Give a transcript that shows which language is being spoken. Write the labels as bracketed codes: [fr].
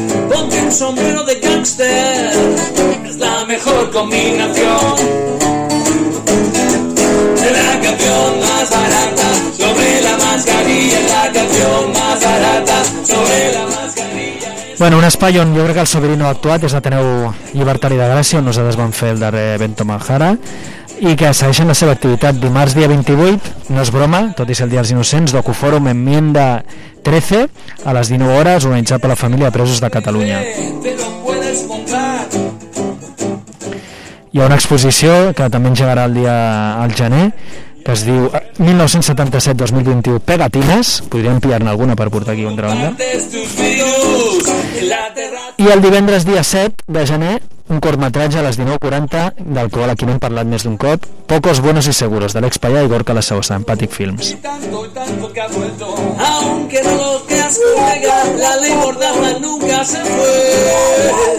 [es] Ponte un sombrero de gángster, es la mejor combinación. Es la canción más barata, sobre la mascarilla, es la canción más barata, sobre la mascarilla. [ca] Bueno, un espai on jo crec que el Sobirino ha actuat és Ateneu Llibertari de Gràcia, on nosaltres vam fer el darrer evento Manjara, i que segueixen la seva activitat. Dimarts dia 28, no és broma, tot i ser el Dia dels Innocents, Docuforum Enmienda 13 a les 19 hores, organitzat per la Família de Presos de Catalunya. Hi ha una exposició que també engegarà el dia al gener, que es diu 1977-2021 Pegatines. Podríem pillar-ne alguna per portar aquí contra banda. I el divendres dia 7 de gener, un curtmetratge a les 19:40, del qual aquí n'hem parlat més d'un cop, Pocos buenos y seguros, de l'expallà Igor Calasosa, Empàtic Films. [es] Aunque no lo creas, juega, la ley mordaza nunca se fue.